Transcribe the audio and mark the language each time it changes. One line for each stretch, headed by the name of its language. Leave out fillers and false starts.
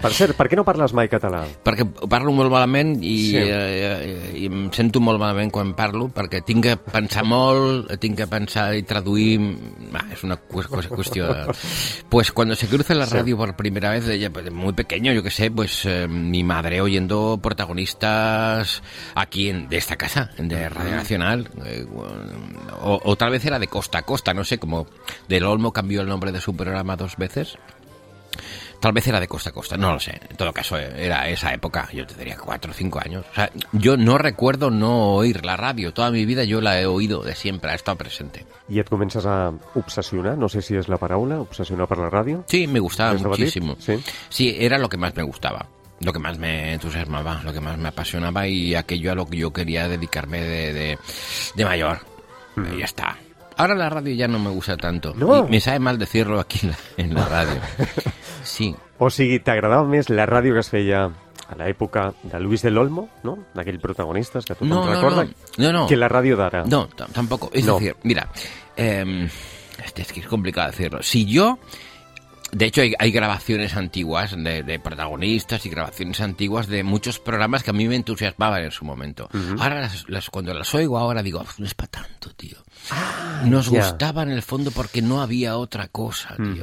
Catalan: Per cert, per què no parles mai català? Perquè parlo molt malament i em sento molt malament quan parlo, perquè tinc que pensar molt, tinc que pensar i traduir... és una qüestió de...
Spanish: Pues cuando se cruza la ràdio
Catalan: per
Spanish: primera vez, ella, muy pequeño, yo que sé, pues mi madre oyendo protagonistas aquí en, de esta casa, de Radio Nacional, o tal vez era de Costa a Costa, no sé, como Del Olmo cambió el nombre de su programa dos veces. Tal vez era de Costa a Costa, no lo sé. En todo caso, era esa época, yo tendría 4 o 5 años. O sea, yo no recuerdo no oír la radio. Toda mi vida yo la he oído de siempre, ha estado presente.
Catalan: ¿Y et comences a obsesionar? No sé si es la paraula, obsesionar per la ràdio.
Spanish: Sí, me gustaba muchísimo. Sí, era lo que más me gustaba. Lo que más me entusiasmaba, lo que más me apasionaba y aquello a lo que yo quería dedicarme de mayor. Y ya está. Ahora la radio ya no me gusta tanto. No. Me sabe mal decirlo aquí en la radio. Sí.
Catalan: O sigui, t'agradava més la ràdio que es feia a l'època de Luis del Olmo, no? D'aquell protagonista, que tothom recorda, no. Que la ràdio d'ara.
Spanish: No, tampoco.
Catalan: És a dir, mira, es que és complicat
Spanish: decirlo.
Catalan: Si jo...
Spanish: De hecho, hay grabaciones antiguas de protagonistas y grabaciones antiguas de muchos programas que a mí me entusiasmaban en su momento. Uh-huh. Ahora, cuando las oigo ahora, digo, no es para tanto, tío. Nos gustaba en el fondo porque no había otra cosa, tío.